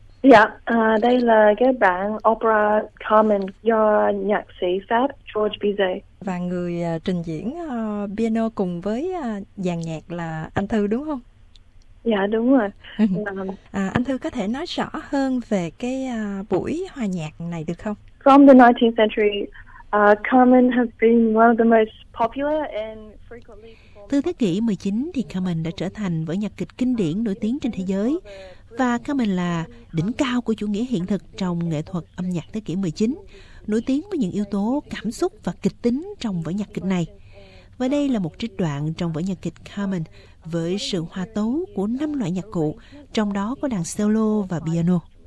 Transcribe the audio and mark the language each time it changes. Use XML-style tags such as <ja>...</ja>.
<vi>Dạ, đây là cái bản opera Carmen do nhạc sĩ Pháp George Bizet. Và người trình diễn piano cùng với dàn nhạc là anh Thư đúng không? Dạ, đúng rồi. Anh Thư có thể nói rõ hơn về cái buổi hòa nhạc này được không?</vi> <en>From the 19th century, Carmen has been one of the most popular and frequently performed.</en> <vi>Từ thế kỷ 19 thì Carmen đã trở thành vở nhạc kịch kinh điển nổi tiếng trên thế giới. Và Carmen là đỉnh cao của chủ nghĩa hiện thực trong nghệ thuật âm nhạc thế kỷ 19, nổi tiếng với những yếu tố cảm xúc và kịch tính trong vở nhạc kịch này. Và đây là một trích đoạn trong vở nhạc kịch Carmen với sự hòa tấu của 5 loại nhạc cụ, trong đó có đàn cello và piano.</vi>